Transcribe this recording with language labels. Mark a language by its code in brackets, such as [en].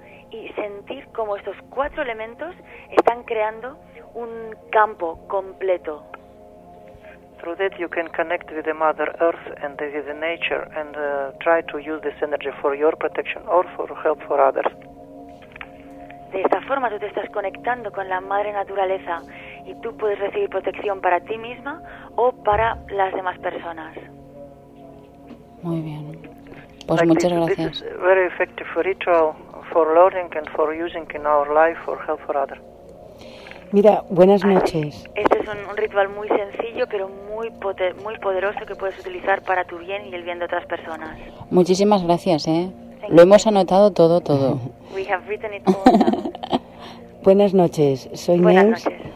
[es] Y sentir cómo estos cuatro elementos están creando un campo completo. [en] Through that you can connect with the Mother Earth and with the nature and try to use this energy for your protection or for help for others. [es] De esta forma tú te estás conectando con la Madre Naturaleza y tú puedes recibir protección para ti misma o para las demás personas. Muy bien. Pues like muchas gracias. [en] This is a very effective ritual for learning and for using in our life for help for others. [es] Mira, buenas noches. Este es un ritual muy sencillo, pero muy muy poderoso que puedes utilizar para tu bien y el bien de otras personas. Muchísimas gracias, ¿eh? Lo hemos anotado todo, todo. [en] We have written it all. [es] Buenas noches, soy Nels.